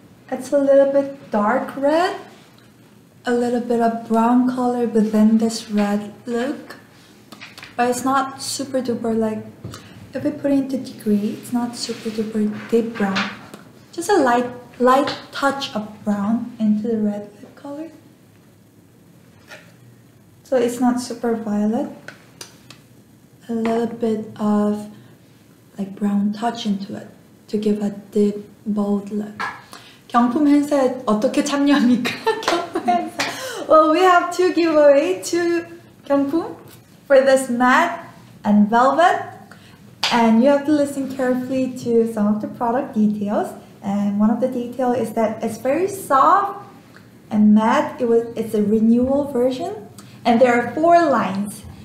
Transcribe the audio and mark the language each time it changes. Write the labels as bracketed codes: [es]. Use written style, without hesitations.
[en] It's a little bit dark red, a little bit of brown color within this red look, but it's not super duper, like, if we put it into degree, it's not super duper deep brown, just a light touch of brown into the red lip color, so it's not super violet, a little bit of like brown touch into it to give a deep bold look. [ko] 경품 행사 어떻게 참여합니까? 경품 행사. [en] Well, we have two giveaway, two 경품 for this matte and velvet. And you have to listen carefully to some of the product details. And one of the details is that it's very soft and matte. It's a renewal version. And there are four lines.